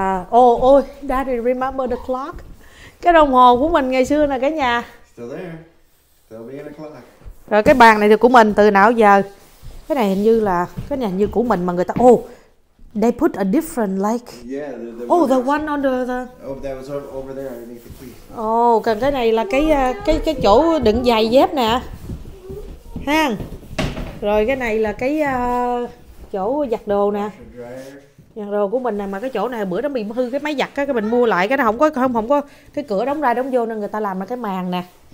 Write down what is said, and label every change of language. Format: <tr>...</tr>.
<vi>Ôi,</vi> <en>Daddy remember the clock.</en> <vi>Cái đồng hồ của mình ngày xưa nè cả nhà.</vi> <en>Still there. Still being a clock.</en> <vi>Rồi cái bàn này thì của mình từ nào giờ? Cái này hình như là cái này hình như của mình mà người ta</vi> <en>they put a different like. Yeah, the one under the. Oh, that was over there underneath the tree.</en> <vi>Oh, còn cái này là cái chỗ đựng giày dép nè. Ha. Rồi cái này là cái chỗ giặt đồ nè. Giặt đồ của mình nè, mà cái chỗ này bữa đó bị hư cái máy giặt á, cái mình mua lại cái nó không có cái cửa đóng ra đóng vô nên người ta làm ra cái màn nè.</vi>